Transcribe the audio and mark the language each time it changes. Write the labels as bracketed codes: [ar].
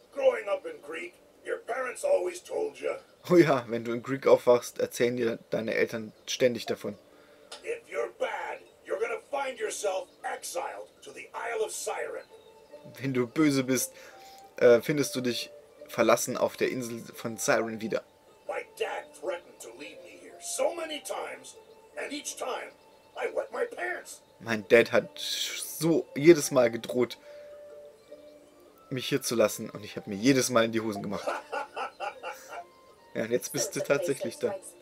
[en] Growing up in Greek, your parents always told you. [de] Oh ja, wenn du in Greek aufwachst, erzählen dir deine Eltern ständig davon. [en] If you're bad, you're gonna find yourself exiled to the Isle of Siren. [de] Wenn du böse bist, findest du dich verlassen auf der Insel von Siren wieder. [en] My dad threatened to leave me here so many times, and each time I wet my pants. [de] Mein Dad hat so jedes Mal gedroht, mich hier zu lassen, und ich habe mir jedes Mal in die Hosen gemacht. Ja, und jetzt bist du tatsächlich da.